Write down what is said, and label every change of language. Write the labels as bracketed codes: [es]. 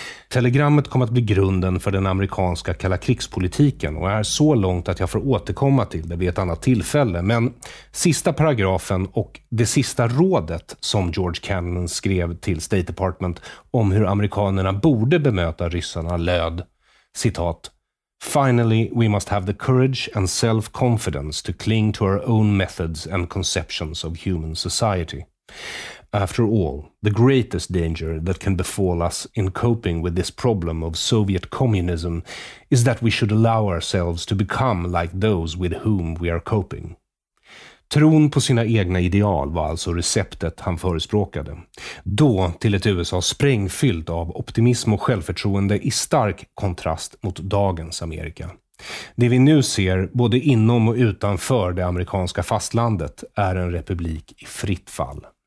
[sv] Telegrammet kom att bli grunden för den amerikanska kalla krigspolitiken och är så långt att jag får återkomma till det vid ett annat tillfälle, men sista paragrafen och det sista rådet som George Kennan skrev till State Department om hur amerikanerna borde bemöta ryssarna löd, citat: [en] "Finally, we must have the courage and self-confidence to cling to our own methods and conceptions of human society. After all, the greatest danger that can befall us in coping with this problem of Soviet communism is that we should allow ourselves to become like those with whom we are coping." [sv] Tron på sina egna ideal var alltså receptet han förespråkade. Då till ett USA sprängfyllt av optimism och självförtroende i stark kontrast mot dagens Amerika. Det vi nu ser, både inom och utanför det amerikanska fastlandet, är en republik i fritt fall.